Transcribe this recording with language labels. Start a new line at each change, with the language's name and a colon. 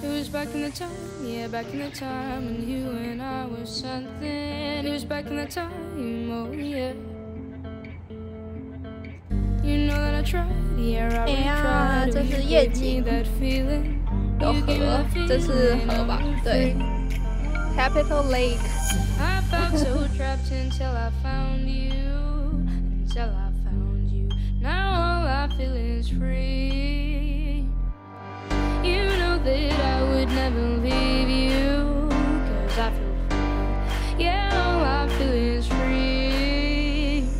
English: Back in the time when you and I were something. It was back in the time, oh yeah. You know that I tried, yeah, I tried.
Chinese: 哎呀，这是夜景，有河，这是河吧？对。
English: Capital Lake. I felt so trapped until I found you. Until I found you. Now all I feel is free. You know that I would never leave you. Cause I feel free. Yeah, all I feel is free.